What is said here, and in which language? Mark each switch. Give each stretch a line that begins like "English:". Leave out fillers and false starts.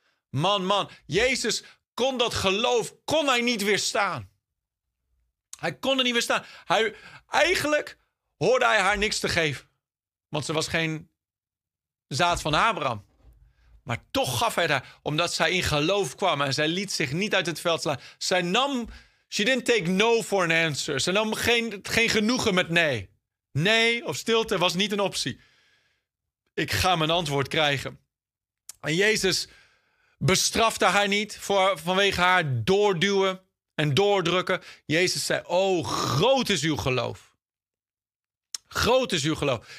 Dutch: Man, Jezus kon dat geloof, kon hij niet weerstaan. Hij kon er niet weerstaan. Eigenlijk hoorde hij haar niks te geven. Want ze was geen zaad van Abraham. Maar toch gaf hij haar, omdat zij in geloof kwam. En zij liet zich niet uit het veld slaan. Zij nam,
English: she didn't take no for an answer.
Dutch: Ze nam geen genoegen met nee. Nee of stilte was niet een optie. Ik ga mijn antwoord krijgen. En Jezus bestrafte haar niet vanwege haar doorduwen en doordrukken. Jezus zei, oh, groot is uw geloof. Groot is uw geloof.